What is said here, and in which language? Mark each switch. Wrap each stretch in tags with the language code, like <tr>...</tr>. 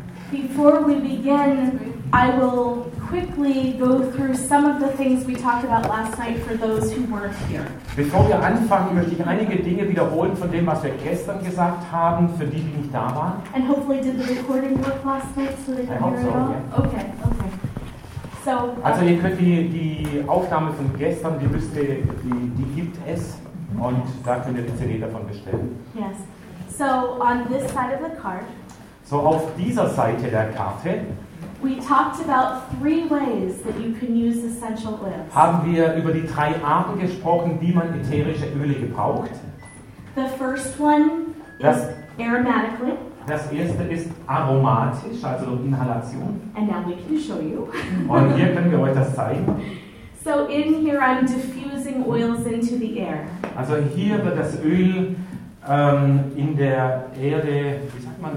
<en>Before we begin, I will quickly go through some of the things we talked about last night for those who weren't here.</en> <de>Bevor wir anfangen, möchte ich einige Dinge wiederholen von dem, was wir gestern gesagt haben, für die, die nicht da waren.</de> <en>And hopefully did the recording work last night, so they can hear it all? Okay. So,</en> <de>also ihr könnt die Aufnahme von gestern, die gibt es, und da könnt ihr die CD davon bestellen.</de> <en>Yes. So, on this side of the card,</en> <de>so auf dieser Seite der Karte haben wir über die drei Arten gesprochen, wie man ätherische Öle gebraucht.</de> <en>The first one is aromatically.</en> <de>Das erste ist aromatisch, also durch Inhalation.</de> <en>And now we can show you.</en> <de>Und hier können wir euch das zeigen.</de> <en>So in here I'm diffusing oils into the air.</en> <de>Also hier wird das Öl in der Erde, wie sagt man,</de>